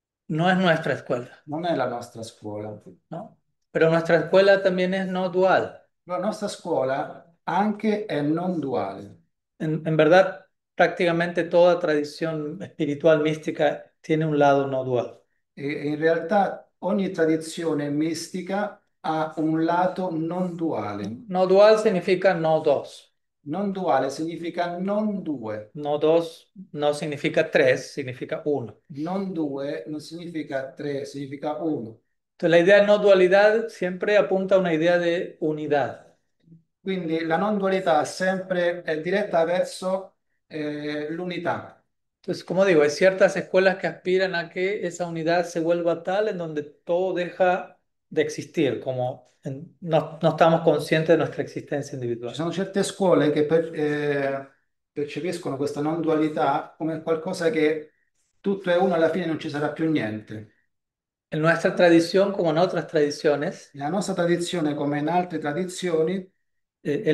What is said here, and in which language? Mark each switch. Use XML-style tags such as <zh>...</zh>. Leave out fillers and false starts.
<es>No es nuestra escuela.</es> <it>Non è la nostra scuola.</it> <es>No, pero nuestra escuela también es no dual.</es> <it>La nostra scuola anche è non duale.</it> <es>En verdad, prácticamente toda tradición espiritual mística tiene un lado no dual.</es> <it>E in realtà ogni tradizione mistica ha un lato non duale.</it> <es>No dual significa no dos.</es> <it>Non duale significa non due.</it> <es>No dos no significa tres, significa uno.</es> <it>Non due non significa tre, significa uno.</it> <es>Entonces, la idea de no dualidad siempre apunta a una idea de unidad.</es> <it>Quindi la non dualità sempre è diretta verso l'unità.</it> <es>Entonces, como digo, hay ciertas escuelas que aspiran a que esa unidad se vuelva tal en donde todo deja de existir, como no estamos conscientes de nuestra esistenza</es> <it>Ci individuale. sono certe scuole che percepiscono questa non dualità come qualcosa che tutto è uno, alla fine non ci sarà più niente.</it> <es>En nuestra tradición, como en otras tradiciones,</es> <it>Nella nostra tradizione, come in altre tradizioni, eleggiamo</it>